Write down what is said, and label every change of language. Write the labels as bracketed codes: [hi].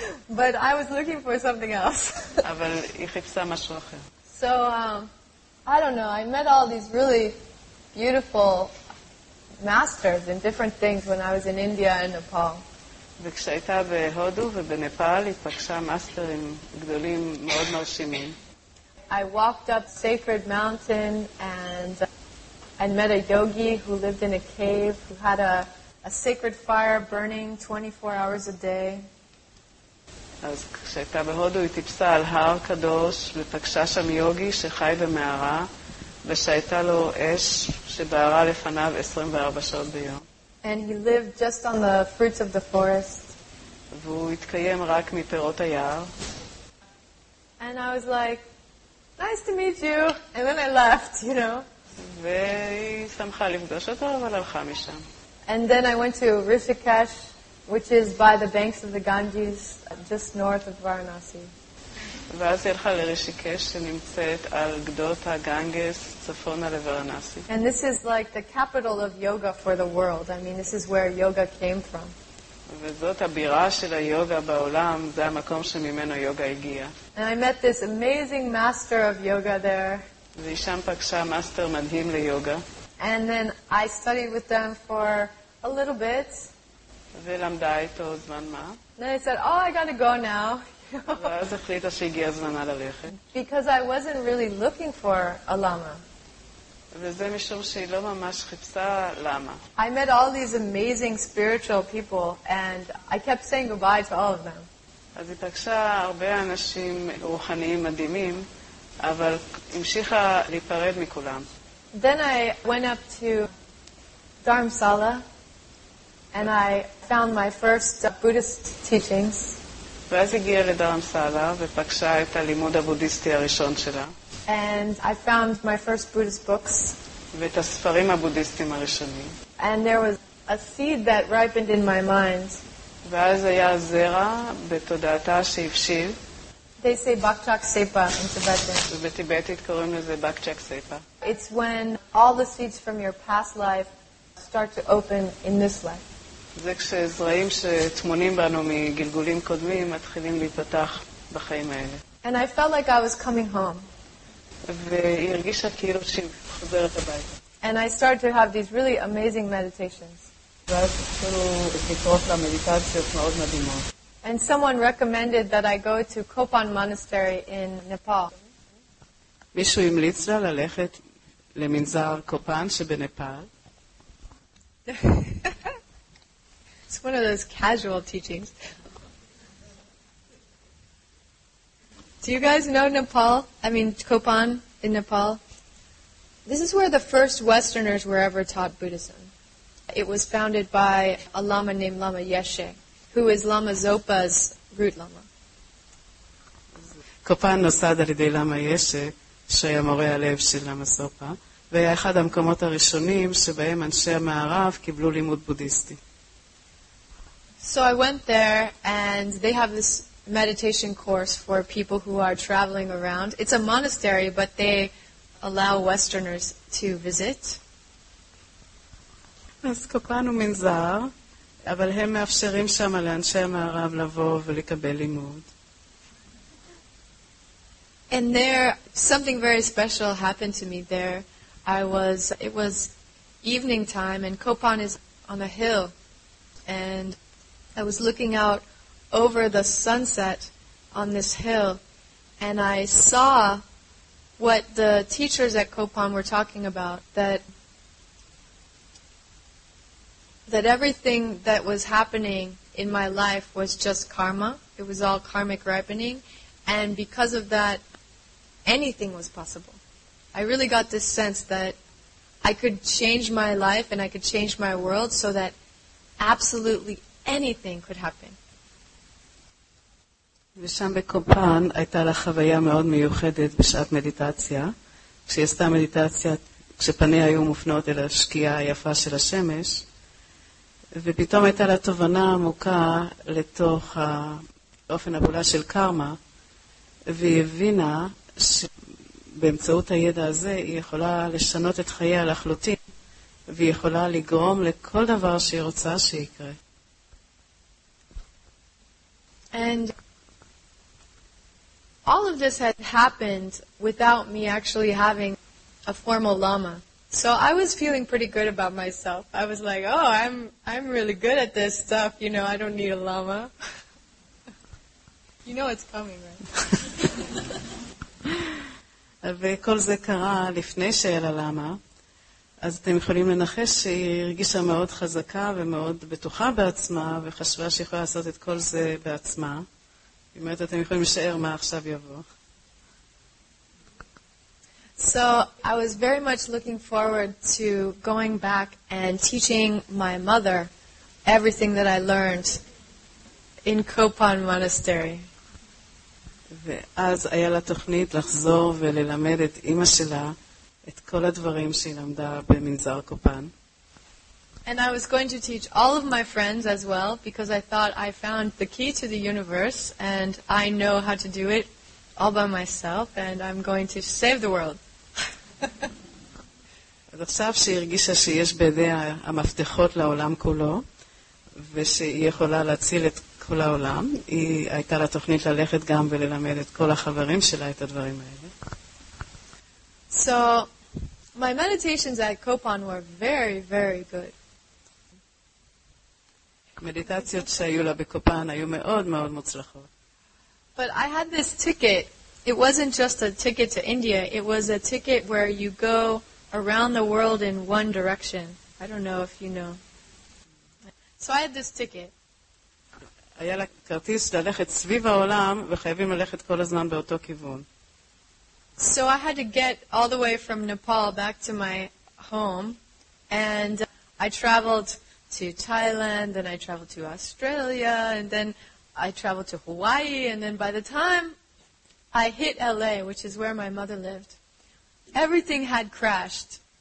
[en] But I was looking for something else. [he] אבל היא חיפשה משהו אחר. [en] So I don't know, I met all these really beautiful masters in different things when I was in India and Nepal. [he] וכשהייתה בהודו ובנפאל היא פגשה מאסטרים גדולים מאוד מרשימים. [en] I walked up sacred mountain and met a yogi who lived in a cave who had a sacred fire burning 24 hours a day. [he] אז כשהייתה בהודו היא טיפסה על הר קדוש ופגשה שם יוגי שחי במערה ושהייתה לו אש שבערה לפניו 24 שעות ביום. [en] And he lived just on the fruits of the forest. [he] והוא התקיים רק מפירות היער. [en] And I was like, nice to meet you. And then I left, you know. [he] והיא שמחה לפגוש אותו אבל הלכה משם. [en] And then I went to Rishikesh, which is by the banks of the Ganges, just north of Varanasi. [he] ואז היא הלכה לרישיקש שנמצאת על גדות הגנגס צפונה לוורנסי. [en] And this is like the capital of yoga for the world. I mean, this is where yoga came from. [he] וזאת הבירה של היוגה בעולם, זה המקום שממנו יוגה הגיעה. [en] And I met this amazing master of yoga there. [he] ושם פגשה מאסטר מדהים ליוגה. [en] And then I studied with them for a little bit. [he] ולמדה איתו זמן מה. [en] Then I said, oh, I gotta go now. [he] ואז החליטה שהגיע זמנה ללכת. [en] Because I wasn't really looking for a llama. [he] וזה משום שהיא לא ממש חיפשה למה. [en] I met all these amazing spiritual people and I kept saying goodbye to all of them. [he] אז היא פגשה הרבה אנשים רוחניים מדהימים, אבל המשיכה להיפרד מכולם. [en] Then I went up to Dharamsala and I found my first Buddhist teachings. [he] ואז הגיעה לדרמסלה ופגשה את הלימוד הבודיסטי הראשון שלה. [en] And I found my first Buddhist books. [he] ואת הספרים הבודיסטיים הראשונים. [en] And there was a seed that ripened in my mind. [he] ואז היה זרע בתודעתה שהבשיל. [en] They say bakchak sepa in Tibetan. [he] ובטיבטית קוראים לזה bakchak sepa. [en] It's when all the seeds from your past life start to open in this life. [he] זה כשזרעים שטמונים בנו מגלגולים קודמים מתחילים להיפתח בחיים האלה. [en] And I felt like I was coming home. [he] והיא הרגישה כאילו שהיא חוזרת הביתה. [en] And I started to have these really amazing meditations. [he] ואז התחילו לקרות לה מדיטציות מאוד מדהימות. [en] And someone recommended that I go to Kopan Monastery in Nepal. [he] מישהו המליץ לה ללכת למנזר קופן שבנפאל. [en] It's one of those casual teachings. Do you guys know Nepal? I mean, Copan in Nepal? This is where the first Westerners were ever taught Buddhism. It was founded by a lama named Lama Yeshe, who is Lama Zopa's root lama. [he] Copan nosad al yedei Lama Yeshe, שהיה מורה הלב של לאמה זופה, והיה אחד המקומות הראשונים שבהם אנשי המערב קיבלו לימוד בודיסטי. [en] So I went there, and they have this meditation course for people who are traveling around. It's a monastery, but they allow Westerners to visit. [he] אז קופן הוא מנזר, אבל הם מאפשרים שם לאנשי המערב לבוא ולקבל לימוד. [en] And there, something very special happened to me there. It was evening time, and Copan is on a hill. And I was looking out over the sunset on this hill, and I saw what the teachers at Copan were talking about, that everything that was happening in my life was just karma. It was all karmic ripening. And because of that, anything was possible. I really got this sense that I could change my life and I could change my world so that absolutely anything could happen. [he] ושם בקופן הייתה לה חוויה מאוד מיוחדת בשעת מדיטציה. כשהיא עשתה מדיטציה, כשפניה היו מופנות אל השקיעה היפה של השמש, ופתאום הייתה לה תובנה עמוקה לתוך האופן הבולה של קרמה, והיא הבינה שבאמצעות הידע הזה היא יכולה לשנות את חייה לחלוטין, והיא יכולה לגרום לכל דבר שהיא רוצה שיקרה. [en] And all of this had happened without me actually having a formal lama. So I was feeling pretty good about myself. I was like, oh, I'm really good at this stuff. You know, I don't need a lama. You know it's coming, right? [he] וכל זה קרה לפני שהיה לה למה, אז אתם יכולים לנחש שהיא הרגישה מאוד חזקה ומאוד בטוחה בעצמה, וחשבה שהיא יכולה לעשות את כל זה בעצמה. היא אומרת, אתם יכולים לשאר מה עכשיו יבוא. [en] So I was very much looking forward to going back and teaching my mother everything that I learned in Copan Monastery. [he] ואז היה לה תוכנית לחזור וללמד את אמא שלה את כל הדברים שהיא למדה במנזר קופן. [en] And I was going to teach all of my friends as well, because I thought I found the key to the universe and I know how to do it all by myself and I'm going to save the world. [he] אז עכשיו שהיא הרגישה שיש בידיה המפתחות לעולם כולו ושהיא יכולה להציל את כל העולם, היא הייתה לה תוכנית ללכת גם וללמד את כל החברים שלה את הדברים האלה. [en] So my meditations at Copan were very very good. [he] המדיטציות שהיו לה בקופן היו מאוד מאוד מוצלחות. [en] But I had this ticket. It wasn't just a ticket to India, it was a ticket where you go around the world in one direction. I don't know if you know. So I had this ticket. [he] היה לה כרטיס ללכת סביב העולם, וחייבים ללכת כל הזמן באותו כיוון. [en] So I had to get all the way from Nepal back to my home, and I traveled to Thailand, and I traveled to Australia, and then I traveled to Hawaii, and then by the time I hit LA, which is where my mother lived, everything had crashed.